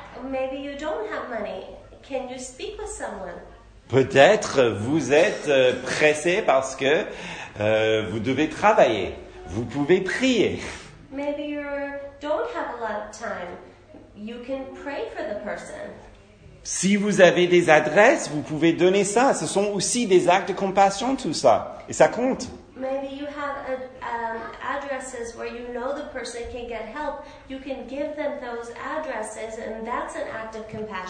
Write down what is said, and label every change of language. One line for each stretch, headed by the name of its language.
English: Maybe you don't have money. Can you speak with someone?
French: Peut-être vous êtes pressé parce que vous devez travailler. Vous pouvez prier.
English: Maybe you don't have a lot of time. You can pray for the person.
French: Si vous avez des adresses, vous pouvez donner ça. Ce sont aussi des actes de compassion, tout ça. Et ça compte.
English: Maybe you have addresses where you know the person can get help. You can give them those addresses and that's an act of compassion.